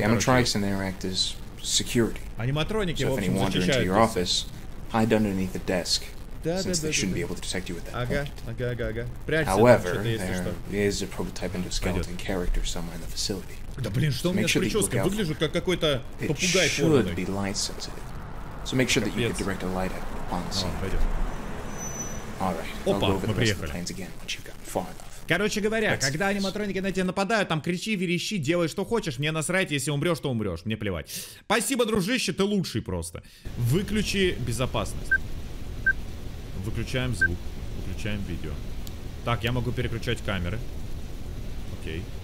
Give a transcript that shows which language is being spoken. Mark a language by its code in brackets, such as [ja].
[en] the animatronics in there act as security. [ru] Аниматроники, [en] so if [ru] общем, [en] any wander into your office, hide underneath the desk, since they shouldn't be able to detect you at that point. However, there is a prototype endoskeleton character somewhere in the facility. [ru] Да блин, что у меня с прической? Выгляжу как какой-то попугай. [en] It should be light sensitive, so make sure that you can direct a light at on scene. Alright, I'll go over the rest of the plans again once you've gotten far enough. [ru] Короче говоря, когда аниматроники на тебя нападают, там кричи, верещи, делай что хочешь, мне насрать, если умрешь, то умрешь, мне плевать. Спасибо, дружище, ты лучший просто. Выключи безопасность. Выключаем звук, выключаем видео. Так, я могу переключать камеры. Окей.